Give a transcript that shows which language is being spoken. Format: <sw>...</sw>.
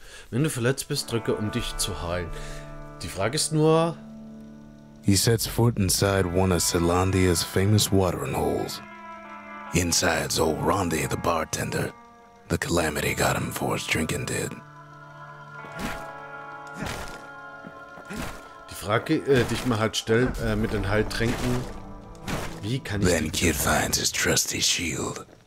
<de>Wenn du verletzt bist, drücke, um dich zu heilen. Die Frage ist nur...</de> <en>He sets foot inside one of Selandia's famous watering holes. Inside's old Rondi, the bartender. The calamity got him for his drinking did.</en> <de>Die Frage, die ich mir halt stelle, mit den Heiltränken... Wie kann ich...</de> <en>Then Kid finds his trusty shield.</en>